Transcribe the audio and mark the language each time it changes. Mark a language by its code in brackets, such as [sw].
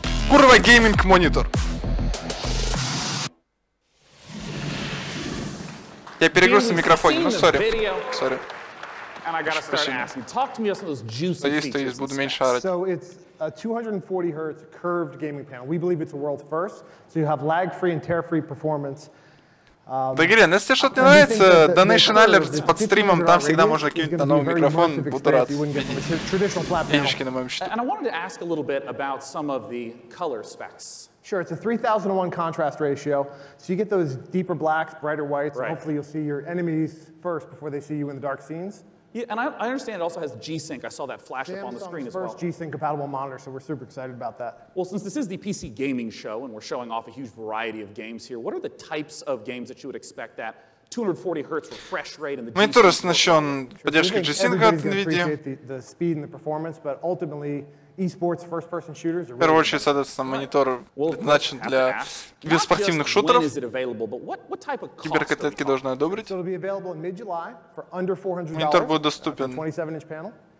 [ru] Курва гейминг монитор. Я перегрузил микрофон, ну сори. Сори. Надеюсь, то есть буду меньше орать. [en] So it's a 240 Hz curved gaming panel. We believe it's a world first. So you have lag-free and tear-free performance. [ru] Да, Грин, если тебе что-то не нравится, Donation Alerts под стримом, там всегда можно кинуть на новый микрофон, буду рад видеть денежки на моем счету. [en] And I wanted to ask a little bit about some of the color specs. Sure, it's a 3,000:1 contrast ratio, so you get those deeper blacks, brighter whites, right. Hopefully you'll see your enemies first before they see you in the dark scenes. Yeah, and I understand it also has G-Sync. I saw that flash Samsung's up on the screen as well. First G-Sync compatible monitor, so we're super excited about that. Well, since this is the PC gaming show and we're showing off a huge variety of games here, what are the types of games that you would expect that 240 Hz refresh rate and the G-Sync? [ru] Monitor оснащен поддержкой G-Sync от Nvidia. [en] The speed and the performance, but ultimately eSports first-person shooters are [ru] в первую очередь, соответственно, монитор предназначен для киберспортивных шутеров. Киберкотлетки должны одобрить. Монитор будет доступен.